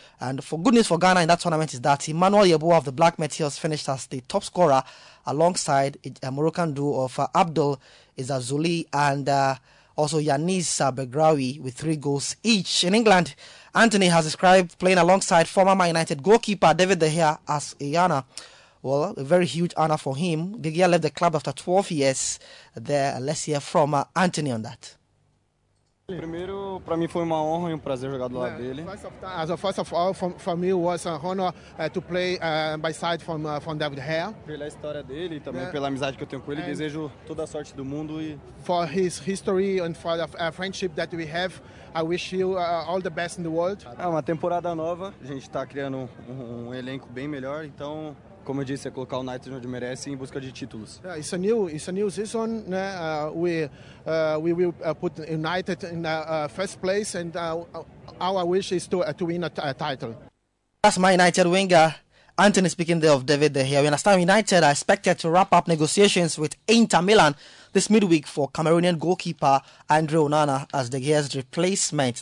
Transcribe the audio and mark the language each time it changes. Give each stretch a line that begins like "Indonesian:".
English: And for good news for Ghana in that tournament is that Emmanuel Yeboah of the Black Meteors finished as the top scorer alongside a Moroccan duo of Abdul Izazuli and also Yanis Begraoui with 3 goals each. In England, Anthony has described playing alongside former Man United goalkeeper David De Gea as a honor. Well, a very huge honor for him. De Gea left the club after 12 years there. Let's hear from Anthony on that.
Portuguese: Primeiro, para mim foi uma honra e prazer jogar do lado dele.
English: First of all, for me it was an honor to play by side from David Hare.
Portuguese: Pela história dele e também pela amizade que eu tenho com ele, and desejo toda a sorte do mundo e
English: for his history and for the friendship that we have, I wish you all the best in the world.
Portuguese: É uma temporada nova, a gente está criando um elenco bem melhor, então como eu disse, é colocar o United onde merece em busca de títulos.
English: Yeah, it's a new season, né? We will put United in first place, and our wish is to win a title. That's my United winger, Anthony, speaking there of David De Gea. We understand United are expected to wrap up negotiations with Inter Milan this midweek for Cameroonian goalkeeper Andre Onana as De Gea's replacement.